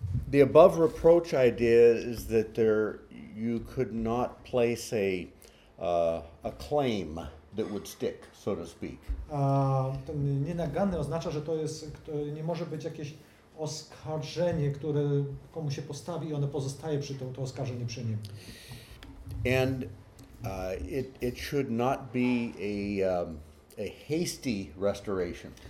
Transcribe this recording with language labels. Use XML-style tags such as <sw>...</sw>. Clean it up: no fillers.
<en>The above reproach idea is that there you could not place a claim that would stick, so to speak.</en> <pl>Ten nienaganny oznacza, że to jest, nie może być jakieś oskarżenie, które komu się postawi i ono pozostaje przy tym, to oskarżenie przy nim.</pl> <en>And it should not be a hasty restoration.</en>